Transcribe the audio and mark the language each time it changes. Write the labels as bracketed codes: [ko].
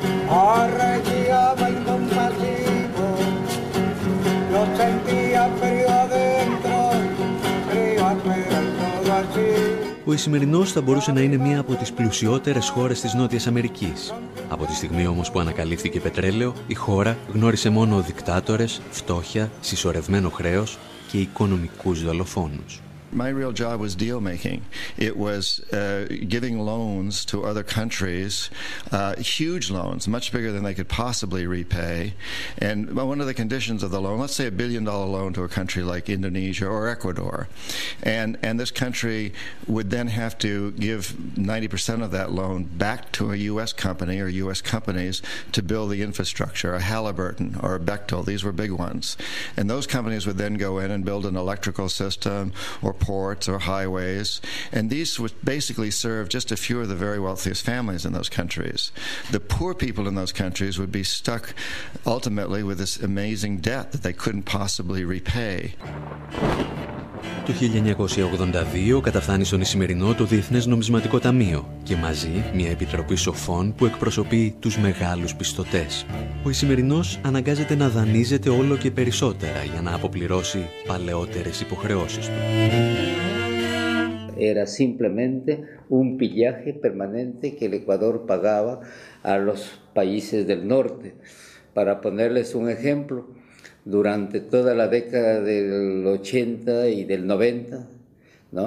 [es] Arrechiaba el compasivo, lo sentía frío adentro, frío afuera y todo así. [el] Ο Ισημερινός θα μπορούσε να είναι μία από τις πλουσιότερες χώρες της Νότιας Αμερικής. Από τη στιγμή όμως που ανακαλύφθηκε πετρέλαιο, η χώρα γνώρισε μόνο δικτάτορες, φτώχεια, συσσωρευμένο χρέος και οικονομικούς δολοφόνους. [en] My real job was deal making. It was giving loans to other countries, huge loans, much bigger than they could possibly repay. And one of the conditions of the loan, let's say $1 billion loan to a country like Indonesia or Ecuador, and this country would then have to give 90% of that loan back to a U.S. company or U.S. companies to build the infrastructure, a Halliburton or a Bechtel. These were big ones, and those companies would then go in and build an electrical system or ports or highways, and these would basically serve just a few of the very wealthiest families in those countries. The poor people in those countries would be stuck ultimately with this amazing debt that they couldn't possibly repay. [el] Το 1982 καταφθάνει στον Ισημερινό το Διεθνές Νομισματικό Ταμείο και μαζί μια επιτροπή σοφών που εκπροσωπεί τους μεγάλους πιστωτές. Ο Ισημερινός αναγκάζεται να δανείζεται όλο και περισσότερα για να αποπληρώσει παλαιότερες υποχρεώσεις του. [es] Era simplemente un pillaje permanente que el Ecuador pagaba a los países del norte. Para ponerles un ejemplo, durante toda la década del 80 y del 90, ¿no?